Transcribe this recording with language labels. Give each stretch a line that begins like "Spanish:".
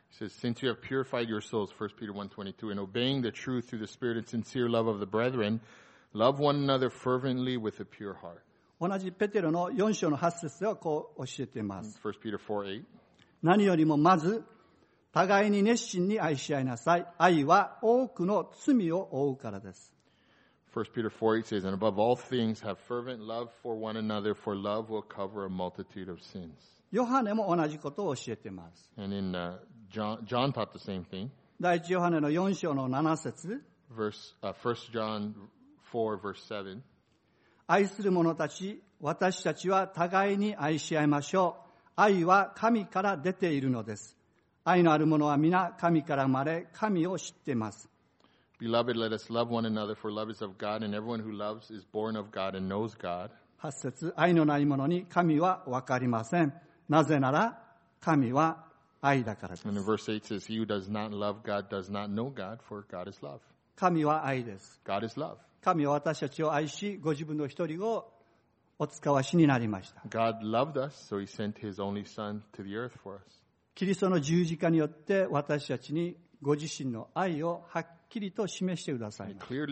English: He says, since you have purified your souls, 1 Peter 1:22, and obeying the truth through the spirit and sincere love of the brethren, love one another fervently with a pure heart.
Japanese: 同じペテロの4章の8節ではこう教えています。
English: 1 Peter 4:8.
Japanese: 何よりもまず、互いに熱心に愛し合いなさい。愛は多くの罪を覆うからです。
English: 1 Peter 4:8 says, and above all things, have fervent love for one another, for love will cover a multitude of sins.
Japanese: ヨハネも同じことを教えています。
English: And in John taught the same thing.
Japanese: 第一ヨハネの4章の7節。
English: First John 4:7.
Japanese: 愛する者たち、私たちは互いに愛し合いましょう。愛は神から出ているのです。愛のある者は皆神から生まれ、神を知っています。
English: Beloved, let us love one another, for love is of God, and everyone who loves is born of God and knows God.
Japanese: 8節、愛のない者に神は分かりません。なぜなら、神は愛だからです。
English: And in verse 8 says, he who does not love God does not know God, for God is love.
Japanese: 神は愛です。
English: God is love.
Japanese: 神は私たちを愛し、ご自分の一人をお使わしになりました。
English: God loved us, so he sent his only son to the earth for us.
Japanese: キリストの十字架によって私たちにご自身の愛をはっきりと示してくださいました。